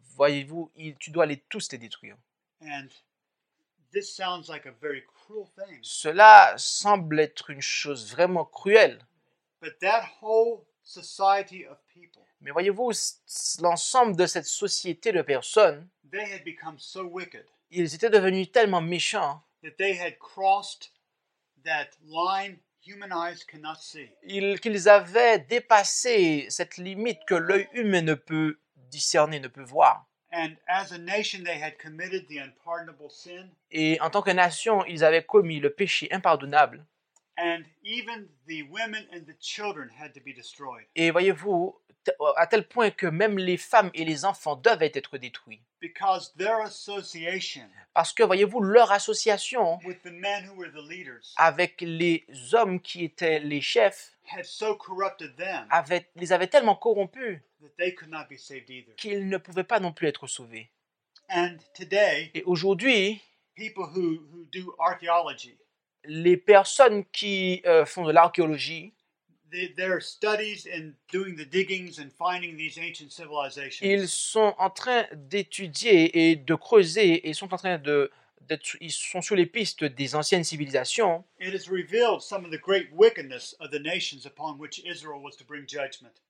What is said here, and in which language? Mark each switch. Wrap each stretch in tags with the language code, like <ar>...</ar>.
<fr>Voyez-vous, tu dois les tous les détruire.</fr> <en>And this sounds like a very cruel thing.</en> <fr>Cela semble être une chose vraiment cruelle.</fr> <en>But that whole society of people,</en> <fr>mais voyez-vous, l'ensemble de cette société de personnes,</fr> <en>they had become so wicked,</en> <fr>ils étaient devenus tellement méchants,</fr> <en>that they had crossed that line human eyes cannot see.</en> <fr>Qu'ils avaient dépassé cette limite que l'œil humain ne peut discerner, ne peut voir.</fr> <en>And as a nation, they had committed the unpardonable sin.</en> <fr>Et en tant que nation, ils avaient commis le péché impardonnable.</fr> <en>And even the women and the children had to be destroyed.</en> <fr>Et voyez-vous, à tel point que même les femmes et les enfants devaient être détruits.</fr> <en>Because their association.</en> <fr>Parce que voyez-vous, leur association</fr> <en>with the men who were the leaders,</en> <fr>avec les hommes qui étaient les chefs</fr> <en>had so corrupted them,</en> <fr>les avait tellement corrompus</fr> <en>that they could not be saved either.</en> <fr>Qu'ils ne pouvaient pas non plus être sauvés.</fr> <en>And today,</en> <fr>et aujourd'hui,</fr> <en>people who do archaeology,</en> <fr>les personnes qui font de l'archéologie,</fr> <en>their studies and doing the diggings and finding these ancient civilizations.</en> <fr>Ils sont en train d'étudier et de creuser et sont en train de ils sont sur les pistes des anciennes civilisations.</fr> <en>It has revealed some of the great wickedness of the nations upon which Israel was to bring judgment.</en>